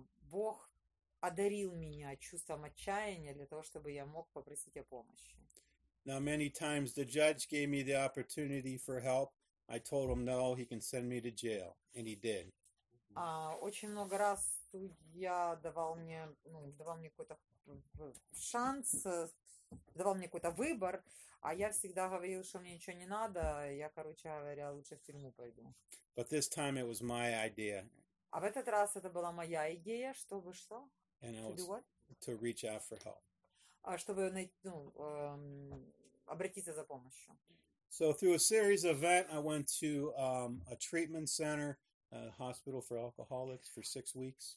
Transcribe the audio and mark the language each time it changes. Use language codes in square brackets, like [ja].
[ru] Бог одарил меня чувством отчаяния для того, чтобы я мог попросить о помощи. [en] Now many times the judge gave me the opportunity for help. I told him no, he can send me to jail, and he did. [ru] Очень много раз судья давал мне какой-то шанс, давал мне какой-то выбор, а я всегда говорил, что мне ничего не надо, я, короче говоря, лучше в тюрьму пойду. [en] But this time it was my idea. [ru] А в этот раз это была моя идея, чтобы что? [en] And it was to reach out for help. [ru] Чтобы найти, ну, обратиться за помощью. [en] So through a series of events, I went to a treatment center, a hospital for alcoholics, for 6 weeks.